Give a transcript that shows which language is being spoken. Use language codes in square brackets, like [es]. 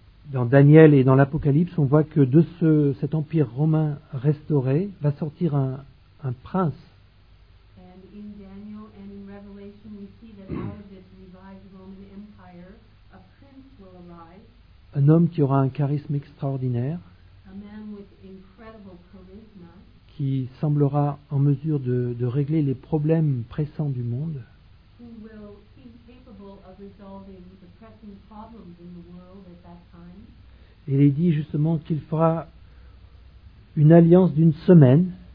[fr] Dans Daniel et dans l'Apocalypse, on voit que de cet empire romain restauré va sortir un prince. [en] And in Daniel and in Revelation we see that out of this revived Roman Empire a prince will arise. [fr] Un homme qui aura un charisme extraordinaire. [en] A man with incredible charisma. [fr] Qui semblera en mesure de régler les problèmes pressants du monde. [en] Who will seem capable of resolving the pressing problems in the world at that time. [fr] Il est dit justement qu'il fera une alliance d'une semaine.